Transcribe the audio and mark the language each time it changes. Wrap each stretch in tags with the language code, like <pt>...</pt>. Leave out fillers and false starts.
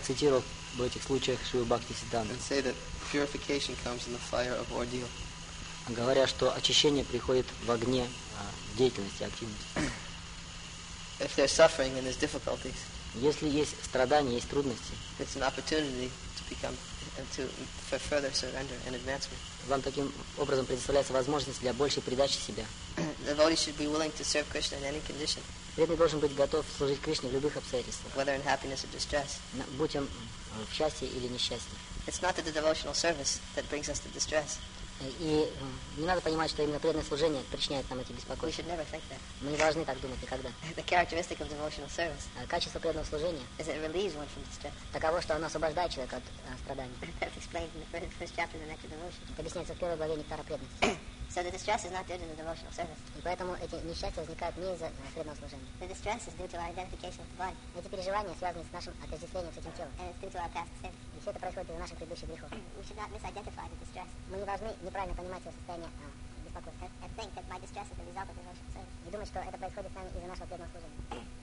<ru>цитировал в этих случаях Шрилу Бхакти Сиддханту.</ru> <en>And say that purification comes in the fire of ordeal.</en> <ru>Говоря, что очищение приходит в огне деятельности, активности.</ru> <en>If there's suffering and there's difficulties.</en> <ru>Если есть страдания, есть трудности.</ru> <en>It's an opportunity to become and to for further surrender and advancement.</en> <ru>Вам таким образом предоставляется возможность для большей предачи себя.</ru> <en>Devotee should be willing to serve Krishna in any condition.</en> <ru>Преданный должен быть готов служить Кришне в любых обстоятельствах.</ru> <en>Whether in happiness or distress.</en> <ru>Будь он в счастье или несчастье.</ru> <en>It's not that the devotional service that brings us to distress.</en> <ru>И не надо понимать, что именно преданное служение причиняет нам эти беспокойства.</ru> <en>We should never think that.</en> <ru>Мы не должны так думать никогда.</ru> <en>The characteristic of devotional service.</en> <ru>Качество преданного служения.</ru> <en>Is it relieves one from distress.</en> <ru>Таково, что оно освобождает человека от страданий.</ru> <en>That's explained in the first chapter of the Nectar of Devotion.</en> <ru>Это объясняется в первой главе Нектара преданности.</ru> <en>So the distress is not due to the devotional service.</en> <ru>И поэтому эти несчастья возникают не из-за преданного служения.</ru> <en>The distress is due to our identification with the body.</en> <ru>Эти переживания связаны с нашим отождествлением с этим телом.</ru> <en>And it's due to our past sins.</en> <ru>И все это происходит из-за наших предыдущих грехов.</ru> <en>We should not misidentify the distress.</en> <ru>Мы не должны неправильно понимать свое состояние беспокойства.</ru> <en>And think that my distress is the result of the devotional service.</en> <ru>И думать, что это происходит с нами из-за нашего преданного служения.</ru>